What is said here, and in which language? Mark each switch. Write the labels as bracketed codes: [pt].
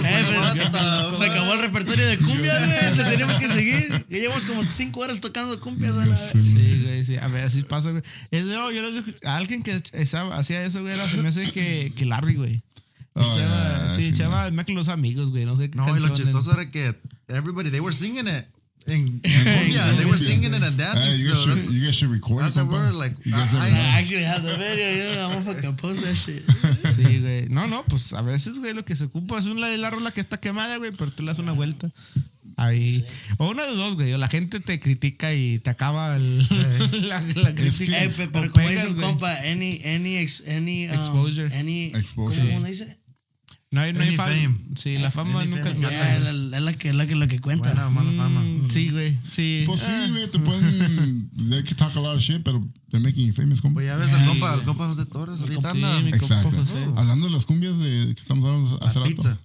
[es] Se acabó el repertorio de cumbia, güey. Tenemos que seguir. Ya llevamos como 5 horas tocando cumbias a la vez. Sí, güey, sí. A ver, así pasa, güey. Es de, yo le dije a alguien que hacía eso, güey, se me hace que Larry, güey. Sí, mezcló los amigos, güey. No sé qué. No, y lo chistoso era que [en] everybody, they were singing it. [es] En cumbia, [en] they were singing it and dancing. You guys should record it. That's a word, like, I actually have the video. You know, I'm gonna fucking post that shit. [es] Sí, güey. No, pues a veces, güey, lo que se ocupa es una de la rola que está quemada, güey, pero tú le das una vuelta. Ahí. Sí. O una de dos, güey. O la gente te critica y te acaba la crítica. Es que, pero como dice el compa, exposure. ¿Cómo le dice? No hay fama. Sí, la fama nunca es mala. Es la que cuenta. Bueno, mala fama. Sí, güey. Sí. Pues sí, güey. Te pueden. [en] They can talk a lot of shit, [es] pero [en] they're making you famous, compa. [es] Pues ya ves, sí, el compa José Torres. Ahorita anda. Sí, exacto. Compa, José. Hablando de las cumbias que estamos hablando hace rato.